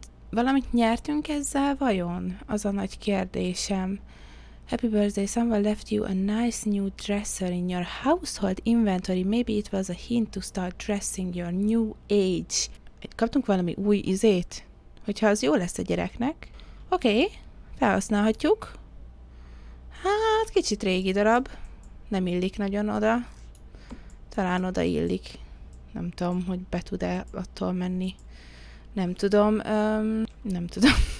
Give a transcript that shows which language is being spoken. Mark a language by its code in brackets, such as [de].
[hu] Valamit nyertünk ezzel vajon? Az a nagy kérdésem. [en] Happy birthday, someone left you a nice new dresser in your household inventory. Maybe it was a hint to start dressing your new age. [hu] Kaptunk valami új izét? Hogyha az jó lesz a gyereknek. Oké, okay, felhasználhatjuk. Hát, kicsit régi darab. Nem illik nagyon oda. Talán oda illik. Nem tudom, hogy be tud-e attól menni. Nem tudom. Nem tudom.